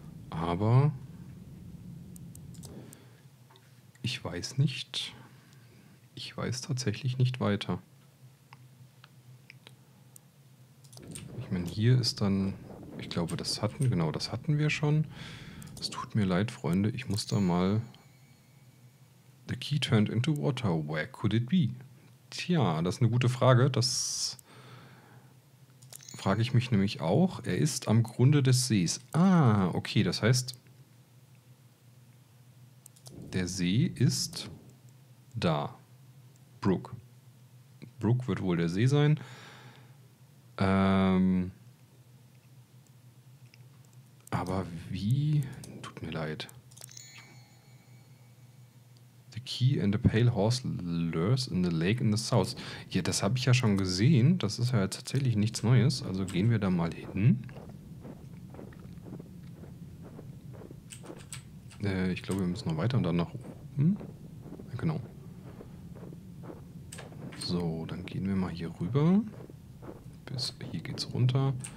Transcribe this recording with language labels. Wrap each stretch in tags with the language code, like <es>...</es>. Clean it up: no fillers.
<de>Aber ich weiß nicht. Ich weiß tatsächlich nicht weiter. Ich meine, hier ist dann, ich glaube, das hatten wir schon. Es tut mir leid, Freunde, ich muss da mal...</de> <en>The key turned into water, where could it be?</en> <de>Tja, das ist eine gute Frage, das frage ich mich nämlich auch. Er ist am Grunde des Sees. Ah, okay, das heißt, der See ist da. Brook. Brook wird wohl der See sein. Aber wie? Tut mir leid.</de> <en>The key and the pale horse lures in the lake in the south.</en> <de>Ja, das habe ich ja schon gesehen. Das ist ja tatsächlich nichts Neues. Also gehen wir da mal hin. Ich glaube, wir müssen noch weiter und dann nach oben. Genau. So, dann gehen wir mal hier rüber. Bis hier geht's runter.</de>